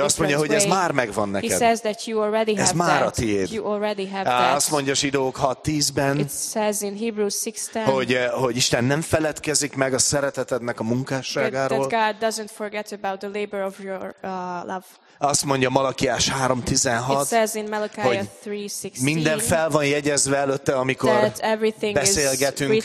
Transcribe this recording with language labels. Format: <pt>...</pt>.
<hu>Ő azt mondja, hogy ez már megvan neked.</hu> <en>He says that you already have</en> <hu>ez</hu> <en>that.</en> <hu>Ez már a tiéd.</hu> <en>You already have that.</en> <hu>Azt mondja Zsidók 6:10-ben,</hu> <en>it says in Hebrews 6:10,</en> <hu>hogy Isten nem feledkezik meg a szeretetednek a munkásságáról.</hu> <en>God doesn't forget about the labor of your love.</en> <hu>Azt mondja Malakiás 3:16,</hu> <en>it says in Malachi 3:16,</en> <hu>minden fel van jegyezve előtte, amikor beszélgetünk</hu>